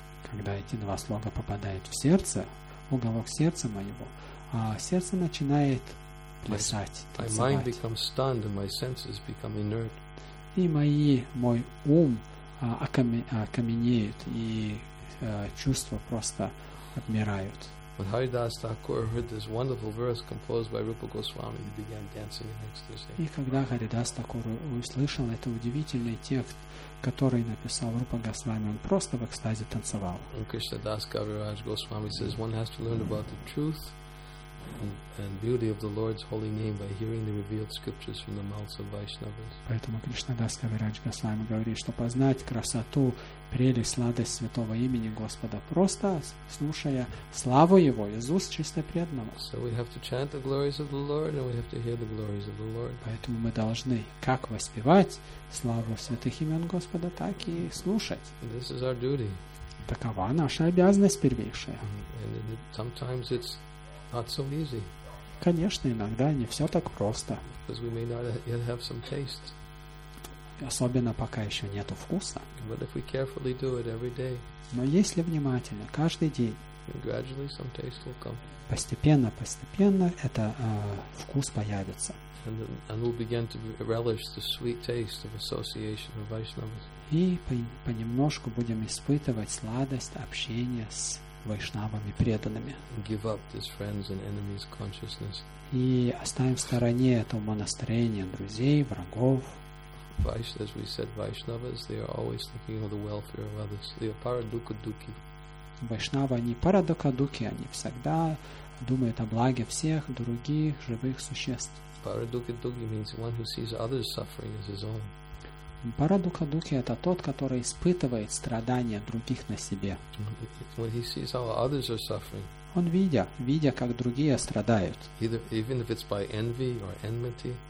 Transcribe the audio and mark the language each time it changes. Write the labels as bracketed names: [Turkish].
[Russian] Когда эти два слога попадают в сердце, уголок сердца моего, сердце начинает плясать, танцевать. [English] My mind becomes stunned and my senses become inert. [Russian] И мой ум окаменеют, и чувства просто отмирают. [English] When Haridas Thakur heard this wonderful verse composed by Rupa Goswami, he began dancing in ecstasy. [Russian] И когда Haridas Thakur услышал этот удивительный текст, который написал Рупа Госвами, он просто в экстазе танцевал. [English] And Krishna Das Kaviraj Goswami says one has to learn about the truth and beauty of the Lord's holy name by hearing the revealed scriptures from the mouths of Vaishnavas. [Russian] Поэтому Кришна Дас Кавирадж Госвами говорит, что познать красоту, прелесть, сладость святого имени Господа, просто слушая славу Его из уст чисто преданного. [English] So we have to chant the glories of the Lord and we have to hear the glories of the Lord. [Russian] Поэтому мы должны как воспевать славу святых имен Господа, так и слушать. [English] This is our duty. [Russian] Такова наша обязанность первейшая. [English] And sometimes it's not so easy. [Russian] Конечно, иногда не все так просто. [English] Because we may not yet have some taste. [Russian] Особенно пока еще нету вкуса. [English] But if we carefully do it every day. [Russian] Но если внимательно, каждый день. [English] And gradually some taste will come. [Russian] Постепенно, постепенно это вкус появится. [English] And we'll begin to relish the sweet taste of association of Vaishnavas. [Russian] И понемножку будем испытывать сладость общения с вайшнавами преданными. [English] Give up this friends and enemies consciousness. [Russian] И оставим в стороне это умонастроение друзей, врагов. [English] As we said, Vaishnavas, they are always thinking of the welfare of others. They are paradukaduki. [Russian] Вайшнавы, они парадукадуки, они всегда думают о благе всех других живых существ. [English] Paradukaduki means one who sees others suffering as his own. [Russian] Парадукадуки — это тот, который испытывает страдания других на себе. [English] When he sees how others are suffering. [Russian] Он видя, как другие страдают. [English] Either, even if it's by envy or enmity.